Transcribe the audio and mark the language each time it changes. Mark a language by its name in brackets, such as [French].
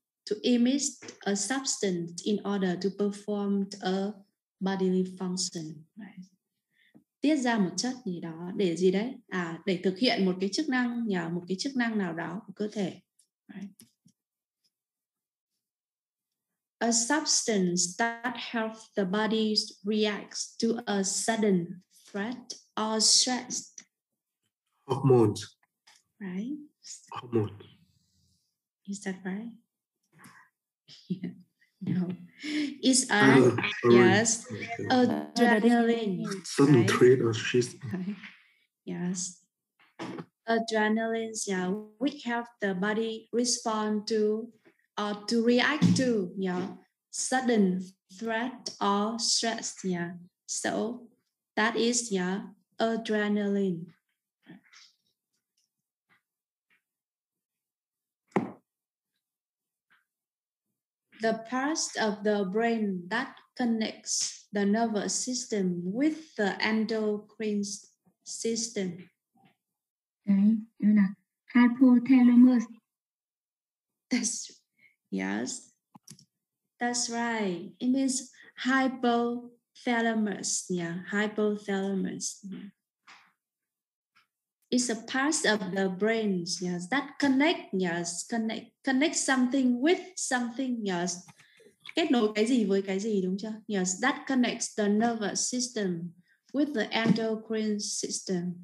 [English] To emit a substance in order to perform a bodily function, right? [Vietnamese] Tiết ra một chất gì đó để gì đấy? À, để thực hiện một cái chức năng, nhờ một cái chức năng nào đó của cơ thể, right? [English] A substance that helps the body react to a sudden threat or stress. Hormones. Right? Hormones. Is that right? No. It's a, yes, adrenaline. Sudden threat or stress. Yes. Adrenaline, yeah, we help the body respond to or to react to, yeah. Sudden threat or stress, yeah. So that is, yeah, adrenaline. The part of the brain that connects the nervous system with the endocrine system. [Vietnamese] Đấy, đúng là hypothalamus. [English] That's yes. That's right. It means hypothalamus. Yeah, hypothalamus. Yeah. It's a part of the brain. Yes, that connect. Yes, connect something with something. [Vietnamese] Yes, kết nối cái gì với cái gì đúng chưa? [English] Yes, that connects the nervous system with the endocrine system.